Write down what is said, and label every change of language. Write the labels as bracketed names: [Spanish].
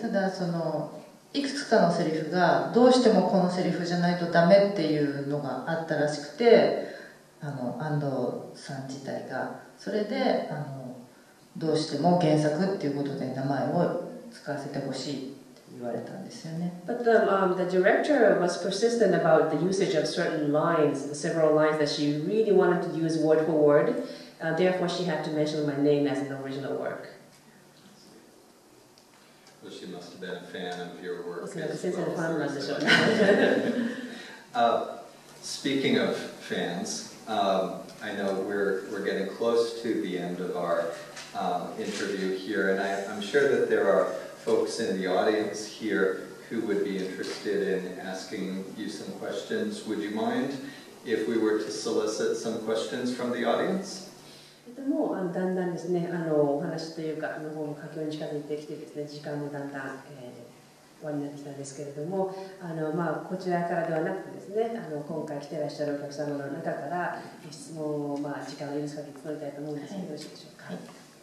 [Japanese] ただそのいくつかのセリフがどうしてもこのセリフじゃないとダメっていうのがあったらしくて、安藤さん自体がそれでどうしても原作っていうことで名前を使わせてほしいって言われたんですよね。 [English] But the director was persistent about the usage of certain lines, several lines that she really wanted to use word for word. Therefore she had to mention my name as an original work. Well, she must have been a fan of your work. [Japanese] 先生のファンなんでしょうね。 [English] Speaking of fans, I know we're getting close to the end of our interview here, and I'm sure that there are folks in the audience here who would be interested in asking you some questions. Would you mind if we were to solicit some questions from the audience? [Japanese] もうだんだんですね、お話というか、の方も佳境に近づいてきてですね、時間もだんだん終わりになってきたんですけれども、こちらからではなくてですね、今回来てらっしゃるお客様の中から質問を、時間を許す限り取りたいと思うんですけど、よろしいでしょうか。